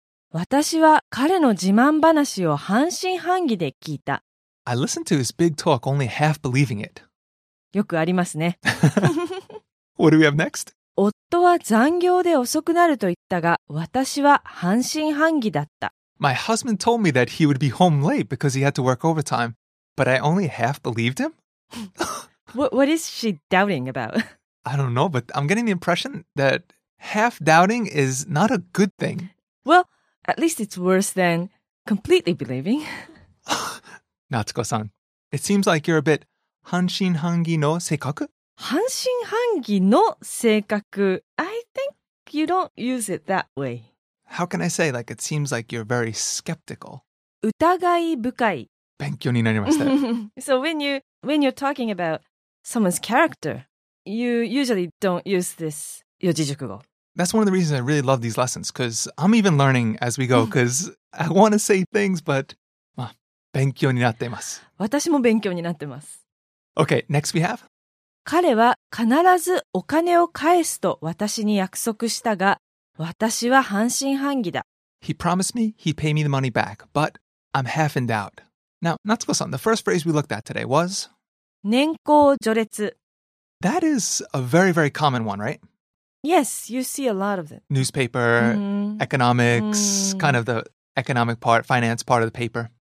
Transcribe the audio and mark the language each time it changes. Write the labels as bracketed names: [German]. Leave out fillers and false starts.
[Japanese] 私は彼の自慢話を半信半疑で聞いた。 [English] I listened to his big talk only half believing it. [Japanese] よくありますね。 [English] What do we have next? [Japanese] 夫は残業で遅くなると言ったが、私は半信半疑だった。 [English] My husband told me that he would be home late because he had to work overtime, but I only half believed him? What is she doubting about? I don't know, but I'm getting the impression that half doubting is not a good thing. Well, at least it's worse than completely believing. Natsuko-san, it seems like you're a bit [Japanese] 半信半疑の性格? 半信半疑の性格. [English] I think you don't use it that way. How can I say, like, it seems like you're very skeptical? [Japanese] 疑い深い.勉強になりました. [English] So when you're talking about someone's character, you usually don't use this 四字熟語. That's one of the reasons I really love these lessons, because I'm even learning as we go, because I want to say things, but... [Japanese] 勉強になっています。私も勉強になってます。 [English] Okay, next we have. [Japanese] 彼は必ずお金を返すと私に約束したが、私は半信半疑だ。 [English] He promised me he'd pay me the money back, but I'm half in doubt. Now, Natsuko-san, the first phrase we looked at today was... [Japanese] 年功序列。 [English] That is a very, very common one, right? Yes, you see a lot of them. Newspaper, economics, kind of the economic part, finance part of the paper.